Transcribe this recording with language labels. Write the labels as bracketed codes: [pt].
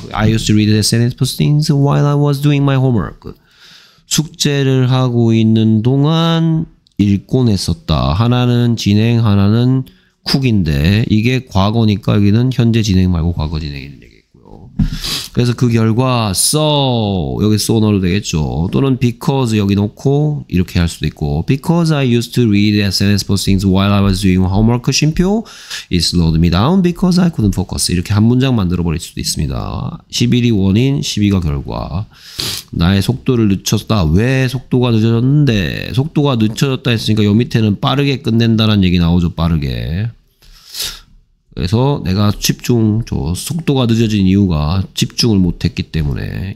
[en] I used to read the sentence for things while I was doing my homework. [ko] 숙제를 하고 있는 동안 읽곤 했었다. 하나는 진행, 하나는 쿡인데, 이게 과거니까 여기는 현재 진행 말고 과거 진행입니다. 그래서 그 결과 so, 여기 so너로 되겠죠. 또는 [en] because [ko] 여기 놓고 이렇게 할 수도 있고, [en] because I used to read SNS postings while I was doing homework, [ko] 쉼표, [en] it slowed me down because I couldn't focus. [ko] 이렇게 한 문장 만들어 버릴 수도 있습니다. 11이 원인, 12가 결과. 나의 속도를 늦췄다. 왜 속도가 늦어졌는데? 속도가 늦춰졌다 했으니까 요 밑에는 빠르게 끝낸다는 얘기 나오죠. 빠르게. 그래서 내가 집중, 저 속도가 늦어진 이유가 집중을 못했기 때문에.